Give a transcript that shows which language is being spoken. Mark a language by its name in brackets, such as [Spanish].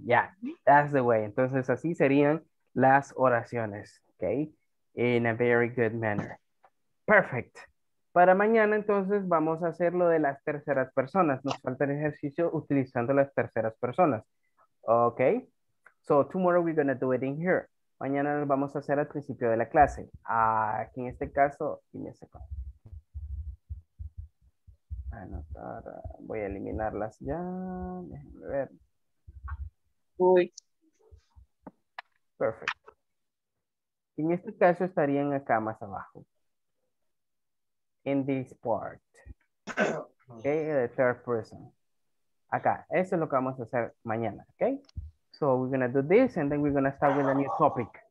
[English] Yeah, that's the way. [Spanish] Entonces, así serían las oraciones, [English] okay, in a very good manner. Perfect. [Spanish] Para mañana, entonces, vamos a hacer lo de las terceras personas. Nos falta el ejercicio utilizando las terceras personas. [English] Okay. So, tomorrow we're going to do it in here. [Spanish] Mañana nos vamos a hacer al principio de la clase. Aquí en este caso, [English] give me a second. [Spanish] Anotar, voy a eliminarlas ya. Déjenme ver. Uy. Perfecto. En este caso estarían acá más abajo. [English] In this part. Ok, the third person. [Spanish] Acá, eso es lo que vamos a hacer mañana, ok. [English] So we're going to do this and then we're going to start with a new topic.